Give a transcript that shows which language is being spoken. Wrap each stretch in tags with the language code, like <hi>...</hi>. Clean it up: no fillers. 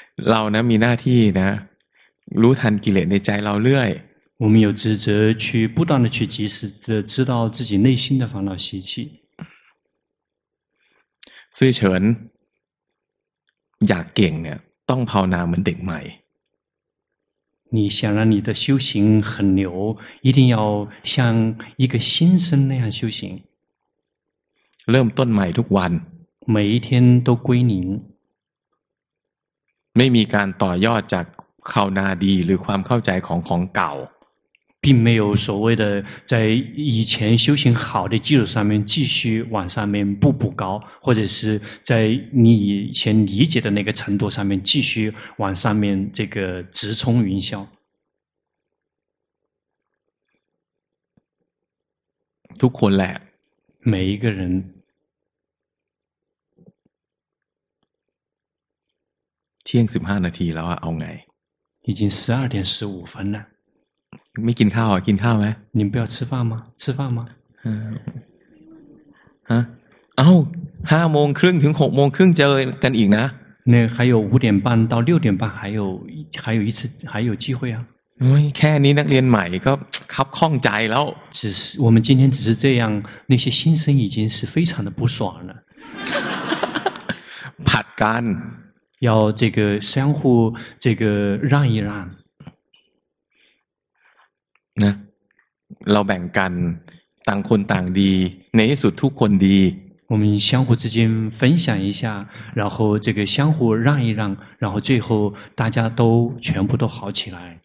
<th>เรานะมีหน้าที่นะรู้ทันกิเลสในใจเราเรื่อย</th> <zh>我们有职责去不断的去及时的知道自己内心的烦恼习气</zh> <th>ซื่อเฉินอยากเก่งเนี่ยต้องภาวนาเหมือนเด็กใหม่</th> <zh>你想让你的修行很牛一定要像一个新生那样修行</zh> <th>เริ่มต้นใหม่ทุกวัน</th> <zh>每一天都归零</zh> <th>ไม่มีการต่อยอดจากข่าวนาดีหรือความเข้าใจของของเก่า</th> <zh>并没有所谓的在以前修行好的基础上面继续往上面步步高或者是在你以前理解的那个程度上面继续往上面这个直冲云霄</zh> <th>ทุกคนแหละ</th> <zh>每一个人</zh> <th>เที่ยง15นาทีแล้วอ่ะเอาไง</th> <zh>已经12点15分了</zh> <th>ไม่กินข้าวอ่ะกินข้าวไหม</th> <zh>你们不要吃饭吗吃饭吗</zh> <th>ฮะเอ้า5โมงครึ่งถึง6โมงครึ่งเจอกันอีกนะ</th> <zh>เนี่ย还有5点半到6点半还有一次还有机会啊</zh> <th>แค่นี้นักเรียนใหม่ก็คับข้องใจแล้ว</th> <zh>只是我们今天只是这样那些新生已经是非常的不爽了</zh> <th>ผัดกัน</th> <zh>要这个相互这个让一让</zh> <th>นะเราแบ่งกันต่างคนต่างดีในที่สุดทุกคนดี</th> <zh>我们相互之间分享一下然后这个相互让一让然后最后大家都全部都好起来</zh>